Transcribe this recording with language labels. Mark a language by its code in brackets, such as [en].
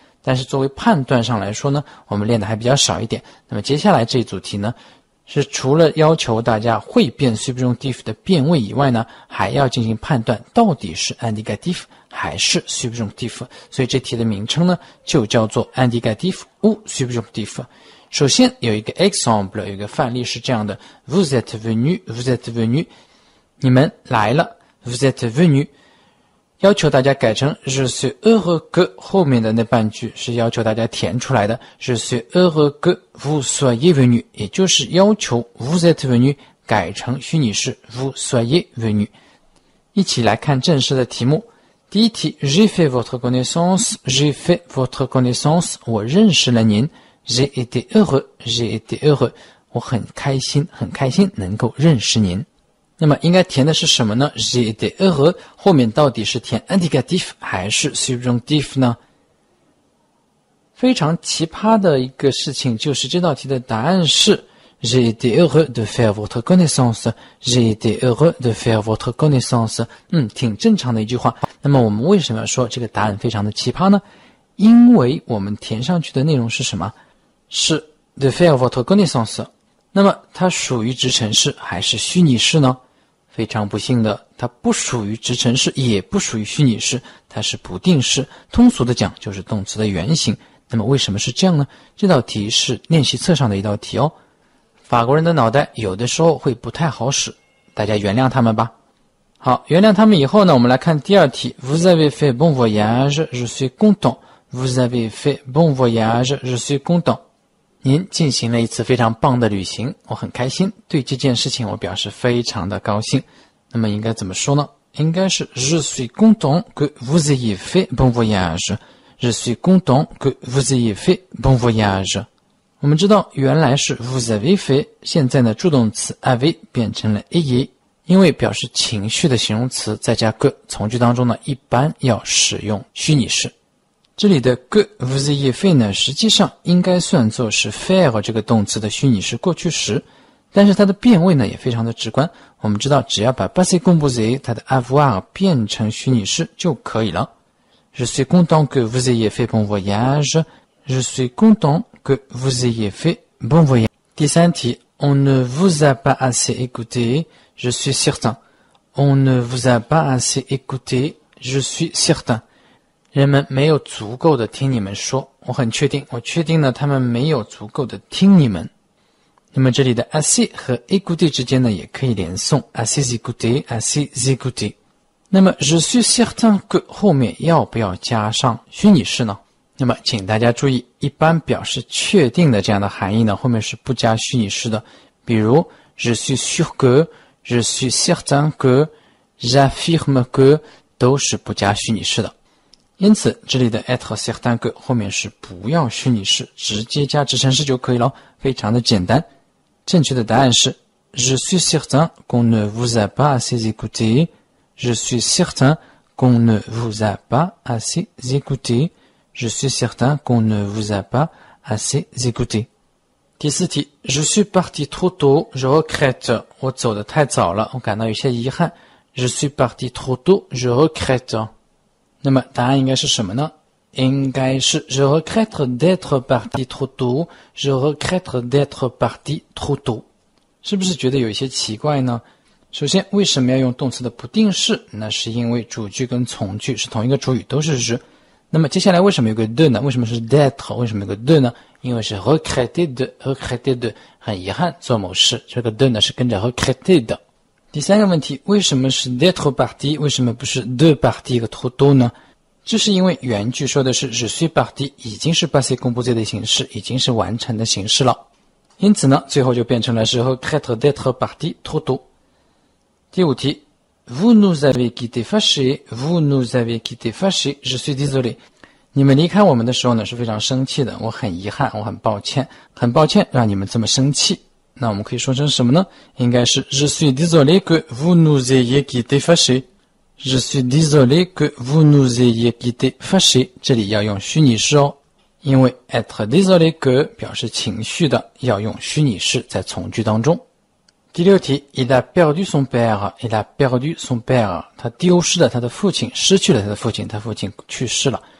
[zh] 但是作为判断上来说呢，我们练的还比较少一点。那么接下来这一组题呢，是除了要求大家会变 subjunctive 的变位以外呢，还要进行判断到底是 indicative 还是 subjunctive。所以这题的名称呢就叫做 indicative ou subjunctive。首先有一个 example， 有一个范例是这样的， [fr] vous êtes venu， vous êtes venu， [zh] 你们来了， vous êtes venu， 要求大家改成 [fr] je suis heureux que， [zh] 后面的那半句是要求大家填出来的， [fr] je suis heureux que vous soyez venu， [zh] 也就是要求 vous êtes venu 改成虚拟式 [fr] vous soyez venu。 [zh] 一起来看正式的题目。第一题， [fr] j'ai fait votre connaissance， [zh] j'ai fait votre connaissance， 我认识了您， [fr] j'ai été heureux， j'ai été heureux， [zh] 我很开心很开心能够认识您。那么应该填的是什么呢？ [fr] j'ai été heureux [zh] 后面到底是填 indicative 还是 subjunctive 呢？非常奇葩的一个事情就是这道题的答案是 [fr] j'ai été heureux de faire votre connaissance， [zh] j'ai été heureux de faire votre connaissance。嗯，挺正常的一句话。那么我们为什么要说这个答案非常的奇葩呢？因为我们填上去的内容是什么？是 [fr] de faire votre connaissance。 [zh] 那么它属于直陈式还是虚拟式呢？非常不幸的，它不属于直陈式也不属于虚拟式，它是不定式，通俗的讲就是动词的原型。那么为什么是这样呢？这道题是练习册上的一道题哦。法国人的脑袋有的时候会不太好使，大家原谅他们吧。好，原谅他们以后呢，我们来看第二题。 [fr] Vous avez fait bon voyage, je suis content. Vous avez fait bon voyage, je suis content. [zh] 您进行了一次非常棒的旅行，我很开心，对这件事情我表示非常的高兴。那么应该怎么说呢？应该是 [fr] Je suis content que vous ayez fait bon voyage. Je suis content que vous ayez fait bon voyage。 [zh] 我们知道原来是 [fr] vous avez fait， [zh] 现在呢助动词 avez 变成了 ayez， 因为表示情绪的形容词再加 que， 从句当中呢一般要使用虚拟式。这里的 [fr] que vous ayez fait [zh] 呢，实际上应该算作是 faire 这个动词的虚拟式过去时，但是它的变位呢也非常的直观。我们知道只要把 passé composé 它的 avoir 变成虚拟式就可以了。 [fr] Je suis content que vous ayez fait bon voyage. Je suis content que vous ayez fait bon voyage. [zh] 第三题， [fr] On ne vous a pas assez écouté. Je suis certain. On ne vous a pas assez écouté. Je suis certain. [zh] 人们没有足够的听你们说，我很确定，我确定呢，他们没有足够的听你们。那么这里的 assez 和 écouté 之间呢，也可以连诵 [fr] assez écouté, assez écouté。 [zh] 那么 je suis certain que 后面要不要加上虚拟式呢？那么请大家注意，一般表示确定的这样的含义呢，后面是不加虚拟式的。比如 [fr] je suis sûr que， je suis certain que， j'affirme que， [zh] 都是不加虚拟式的。因此这里的 [fr] être certain que [zh] 后面是不要虚拟式，直接加直陈式就可以了，非常的简单。正确的答案是 [fr] je suis certain qu'on ne vous a pas assez écouté。 Je suis certain qu'on ne vous a pas assez écouté. Je suis certain qu'on ne vous a pas assez écouté. [zh] 第四题， [fr] Je suis parti trop tôt, je regrette. [zh] 我走得太早了，我感到有些遗憾。 [fr] Je suis parti trop tôt, je regrette. [zh] 那么答案应该是什么呢？应该是 [fr] Je regrette d'être parti trop tôt. Je regrette d'être parti trop tôt. [zh] 是不是觉得有一些奇怪呢？首先为什么要用动词的不定式？那是因为主句跟从句是同一个主语，都是日。那么接下来为什么有个 de 呢？为什么是 d'être？ 为什么有个 de 呢？因为是 [fr] regretter de [zh] 很遗憾做某事，这个 de 呢是跟着 regretter 的。第三个问题，为什么是 [fr] d'être parti， [zh] 为什么不是 de parti 一个 trop tôt 呢？这是因为原句说的是 [fr] je suis parti， [zh] 已经是 passé composé 的形式，已经是完成的形式了，因此呢最后就变成了是 [fr] regretter d'être parti trop tôt。 [zh] 第五题， [fr] Vous nous avez quitté fâché, vous nous avez quitté fâché, je suis désolé. [zh] 你们离开我们的时候呢是非常生气的，我很遗憾，我很抱歉，很抱歉让你们这么生气。那我们可以说成什么呢？应该是 [fr] Je suis désolé que vous nous ayez quitté fâché. Je suis désolé que vous nous ayez quittés fâchés. [zh] 这里要用虚拟式哦。因为 [fr] être désolé que [zh] 表示情绪的要用虚拟式在从句当中。第六题 , [fr] il a perdu son père, [zh] il a perdu son père, 他丢失了他的父亲，失去了他的父亲，他父亲去世了。